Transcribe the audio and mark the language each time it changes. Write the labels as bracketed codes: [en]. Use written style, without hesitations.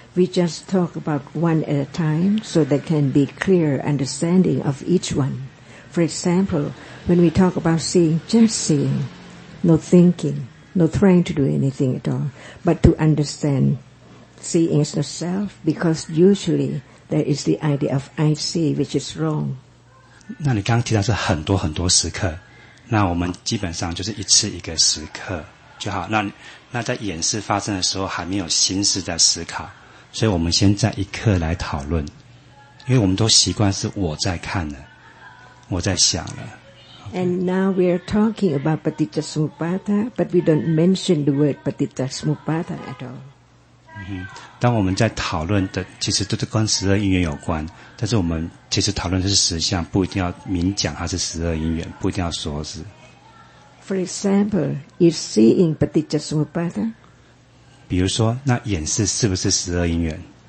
[en] We just talk about one at a time so there can be clear understanding of each one. For example, when we talk about seeing, just seeing, no thinking, no trying to do anything at all, but to understand seeing is the self, because usually there is the idea of I see, which is wrong. [zh] 那你刚刚提到是很多很多时刻，那我们基本上就是一次一个时刻就好。那在演示发生的时候还没有心思在思考，所以我们先在一刻来讨论，因为我们都习惯是我在看了，我在想了。 [en] Okay. And now we are talking about Patijasamupada, but we don't mention the word Patijasamupada at all. [zh] 嗯，当我们在讨论的，其实都是跟十二因缘有关，但是我们其实讨论的是实相，不一定要明讲它是十二因缘，不一定要说是。 [en] For example, is seeing Patijasamupada? [zh] 比如说，那眼视是不是十二因缘？